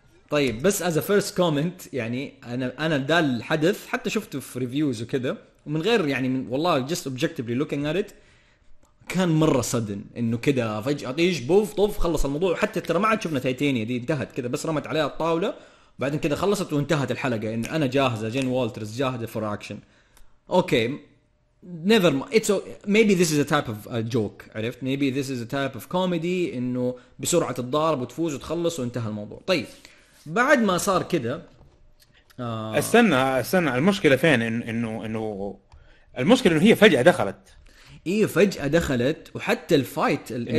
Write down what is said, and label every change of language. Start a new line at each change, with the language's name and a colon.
Arabic: طيب بس
English: as a first comment،
Arabic: يعني أنا ده الحدث حتى شفته في reviews وكده، ومن غير يعني من والله
English: just objectively looking at it
Arabic: كان مرة sudden إنه كده فجأة طيش بوف طوف خلص الموضوع. حتى ترى ما عاد شفنا تايتانيا دي، انتهت كده، بس رمت عليها الطاولة بعدين كده خلصت وانتهت الحلقة. إن أنا جاهزة، جين والترز جاهزة
English: for action. Okay never it's a, maybe this is a type of a joke.
Arabic: عرفت؟
English: maybe this is a type of comedy،
Arabic: إنه بسرعة الضارب وتفوز وتخلص وانتهى الموضوع. طيب بعد ما صار كده استنى المشكله فين؟ انه المشكله انه هي فجاه دخلت. ايه فجاه دخلت، وحتى الفايت